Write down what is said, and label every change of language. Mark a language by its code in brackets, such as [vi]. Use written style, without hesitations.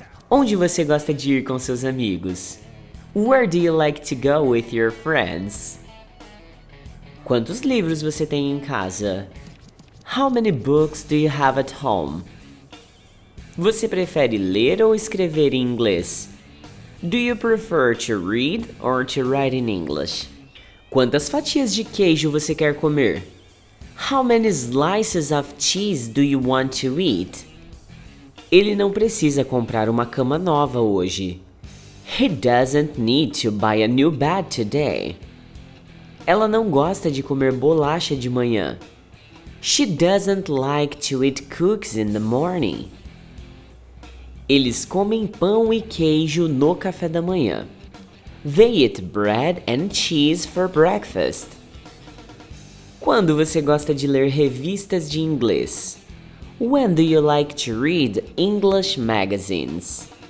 [pt] Onde você gosta de ir com seus amigos? [en] Where do you like to go with your friends? [pt] Quantos livros você tem em casa? [en] How many books do you have at home? [pt] Você prefere ler ou escrever em inglês? [en] Do you prefer to read or to write in English? [pt] Quantas fatias de queijo você quer comer? [en] How many slices of cheese do you want to eat? [pt] Ele não precisa comprar uma cama nova hoje. [en] He doesn't need to buy a new bed today. [pt] Ela não gosta de comer bolacha de manhã. [en] She doesn't like to eat cookies in the morning. [pt] Eles comem pão e queijo no café da manhã. [en] They eat bread and cheese for breakfast. [pt] Quando você gosta de ler revistas de inglês? [en] When do you like to read English magazines?